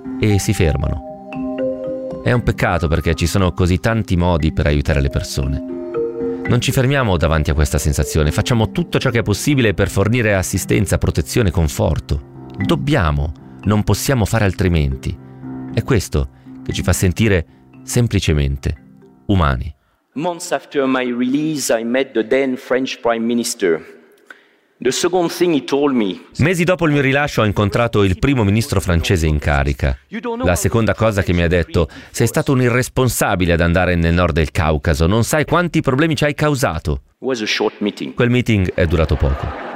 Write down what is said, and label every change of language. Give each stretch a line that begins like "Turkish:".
Italian: E si fermano. È un peccato perché ci sono così tanti modi per aiutare le persone. Non ci fermiamo davanti a questa sensazione, facciamo tutto ciò che è possibile per fornire assistenza, protezione, conforto. Dobbiamo, non possiamo fare altrimenti. È questo che ci fa sentire semplicemente umani.
English: Months after my release, I met the then French Prime Minister. The second thing he told me.
Italian: Mesi dopo il mio rilascio ho incontrato il primo ministro francese in carica. La seconda cosa che mi ha detto: sei stato un irresponsabile ad andare nel nord del Caucaso, non sai quanti problemi ci hai causato.
English: Was a short meeting.
Italian: Quel meeting è durato poco.